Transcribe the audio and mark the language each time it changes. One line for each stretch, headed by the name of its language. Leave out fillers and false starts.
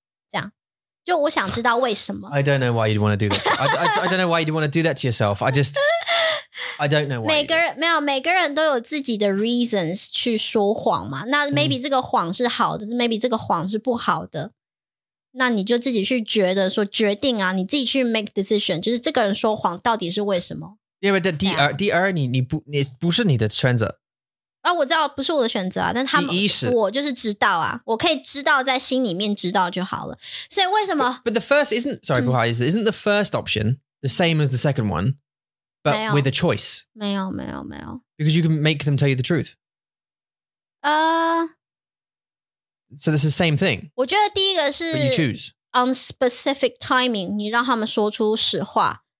Chinese: 这样，就我想知道为什么。
English: I don't know why you'd want to do that. I don't know why you'd want to do that to yourself. I don't know why.
Chinese: 每个人没有每个人都有自己的 reasons 去说谎嘛。那 maybe 这个谎是好的、，maybe 这个谎是不好的。那你就自己去觉得说决定啊，你自己去
English: make decision，
Chinese: 就是这个人说谎到底是为什么？因为第二你不是你的选择啊，我知道不是我的选择啊，但他们我就是知道啊，我可以知道在心里面知道就好了。所以为什么
English: but the first isn't
Chinese: 不好意思
English: isn't the first option the same as the second one but with a choice
Chinese: 没有
English: because you can make them tell you the truth So this is the same thing.
Chinese: 我觉得第一个是
English: But you choose. On specific timing,
Chinese: 你让他们说出实话。